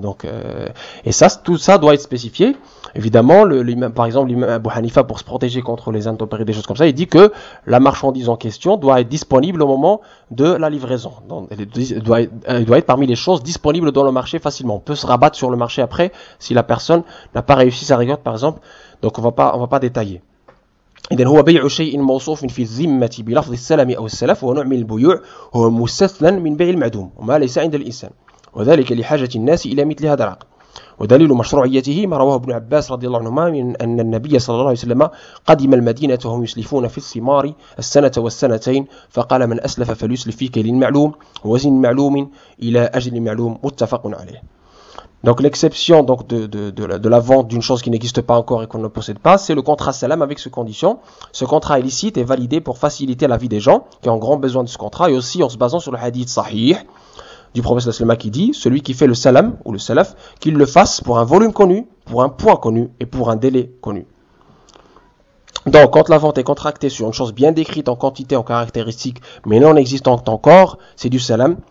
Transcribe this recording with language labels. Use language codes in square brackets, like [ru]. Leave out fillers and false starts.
[fr] Donc, et ça, tout ça doit être spécifié. Évidemment, par exemple, l'imam Abu Hanifa, pour se protéger contre les intempéries, des choses comme ça, il dit que la marchandise en question doit être disponible au moment de la livraison. Donc, elle doit être parmi les choses disponibles dans le marché facilement. On peut se rabattre sur le marché après si la personne n'a pas réussi sa récolte, par exemple. Donc, on va pas détailler. [ar] إذن هو بيع شيء موصوف في الذمة بلفظ السلم أو السلف ونوع من البيوع هو مستثنى من بيع المعدوم وما ليس عند الإنسان وذلك لحاجة الناس إلى مثل هذا العقد ودليل مشروعيته ما رواه ابن عباس رضي الله عنهما من أن النبي صلى الله عليه وسلم قدم المدينة وهم يسلفون في الثمار السنة والسنتين فقال من أسلف فليسلف في كيل معلوم وزن معلوم إلى أجل معلوم متفق عليه [fr] Donc l'exception donc de la vente d'une chose qui n'existe pas encore et qu'on ne possède pas, c'est le contrat salam avec ces conditions. Ce contrat illicite est validé pour faciliter la vie des gens qui ont grand besoin de ce contrat et aussi en se basant sur le hadith sahih du prophète sallallahu alayhi wa sallam qui dit « Celui qui fait le salam ou le salaf, qu'il le fasse pour un volume connu, pour un poids connu et pour un délai connu. » Donc, quand la vente est contractée sur une chose bien décrite en quantité, en caractéristiques, mais non existante encore, c'est du salam.